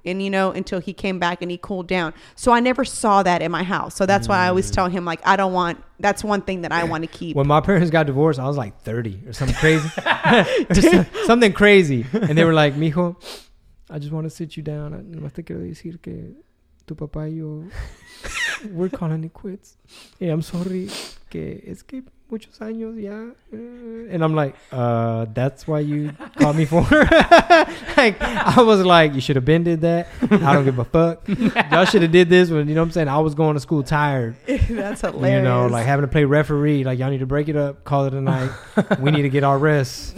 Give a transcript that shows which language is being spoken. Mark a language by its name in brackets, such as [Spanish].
[English] And, you know, until he came back and he cooled down. So I never saw that in my house. So that's why I always tell him, like, I don't want, that's one thing that I want to keep. When my parents got divorced, I was like 30 or something crazy. something crazy. And they were like, mijo, I just want to sit you down. [Spanish] No te quiero decir que tu papá y yo, [English] we're calling it quits. Hey, I'm sorry. [Spanish] Que es que muchos años ya. [English] And I'm like, that's why you called me for. Like, I was like, you should have been did that. I don't give a fuck. Y'all should have did this when, you know what I'm saying? I was going to school tired. That's hilarious. You know, like having to play referee. Like, y'all need to break it up. Call it a night. We need to get our rest.